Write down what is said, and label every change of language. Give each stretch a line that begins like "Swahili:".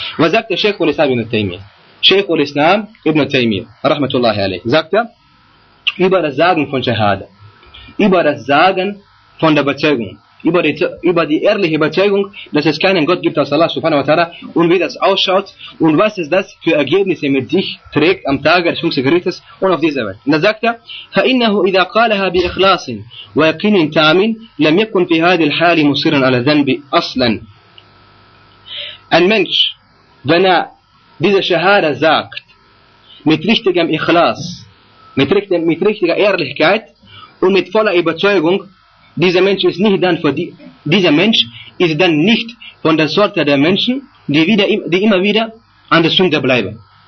German: Was sagt der Sheikh al-Islam ibn al-Taymiyyah? Sheikh al-Islam ibn al-Taymiyyah, Rahmatullahi alayhi, sagt er, über das Sagen von Shahada, über das Sagen von der Bezeugung, über die ehrliche Bezeugung, dass es keinen Gott gibt als Allah subhanahu wa ta'ala und wie das ausschaut und was es das für Ergebnisse mit sich trägt am Tage des jüngsten Gerichtes und auf dieser Welt. Und dann sagt er,
Arabic: فَإِنَّهُ إِذَا قَالَهَا بِإِخْلَاصٍ وَيَقِينٍ تَعْمٍ لَمْ يَكُنْ فِي هَذِي الْحَالِ مُصِرًا عَلَى ذَنْبِ أَصْلًا.
German: Ein Mensch, wenn er diese Shahada sagt, mit richtigem Ikhlas, mit richtiger Ehrlichkeit und mit voller Überzeugung, dieser Mensch ist dann nicht von der Sorte der Menschen, die immer wieder an der Sünde bleiben.